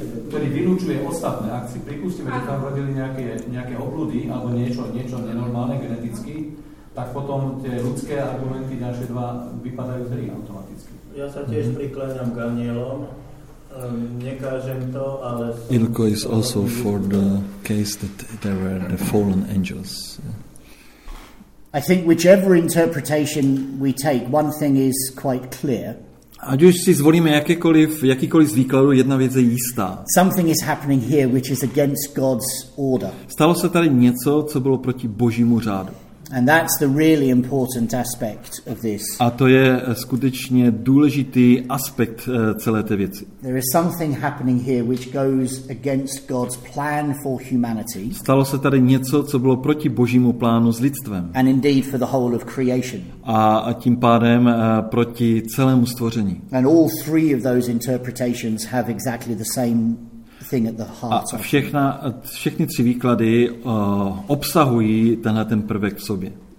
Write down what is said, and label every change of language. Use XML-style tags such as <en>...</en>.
<sk>Ktorý vylúčuje ostatné. Ak si pripustíme, že tam robili nejaké obľudy alebo niečo nenormálne geneticky, tak potom tie ľudské argumenty ďalšie dva vypadajú zlí automaticky. Ja sa tiež prikláňam k anielom. Nekážem to, ale...</sk> <en>Ilko is also for the case that there were the fallen angels. I think whichever interpretation we take, one thing is quite clear.</en> <cs>Ať už si zvolíme jakýkoliv z výkladu, jedna věc je jistá.</cs> <en>Something is happening here, which is against God's order.</en> <cs>Stalo se tady něco, co bylo proti Božímu řádu.</cs> <en>And that's the really important aspect of this.</en> <cs>A to je skutečně důležitý aspekt celé té věci.</cs> <en>There is something happening here, which goes against God's plan for humanity.</en> <cs>Stalo se tady něco, co bylo proti Božímu plánu s lidstvem.</cs> <en>And indeed for the whole of creation.</en> <cs>A tím pádem proti celému stvoření.</cs> <en>And all three of those interpretations have exactly the same thing at the heart.</en> <cs>A všechny tři výklady obsahují tenhle ten prvek v sobě.</cs>